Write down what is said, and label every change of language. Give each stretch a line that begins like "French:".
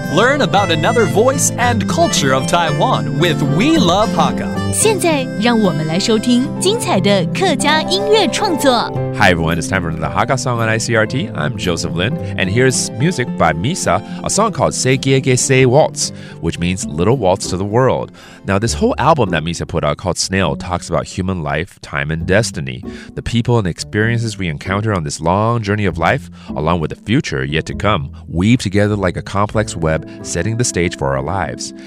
English: Learn about another voice and culture of Taiwan with We Love Hakka.
Chinese: 现在让我们来收听精彩的客家音乐创作。
English: Hi everyone, it's time for another Hakka song on ICRT. I'm Joseph Lin, and here's music by Misa, a song called 세계 게 세 waltz, which means little waltz to the world. Now, this whole album that Misa put out called Snail talks about human life, time, and destiny, the people and experiences we encounter on this long journey of life, along with the future yet to come, weave together like a complex web, setting the stage for our lives.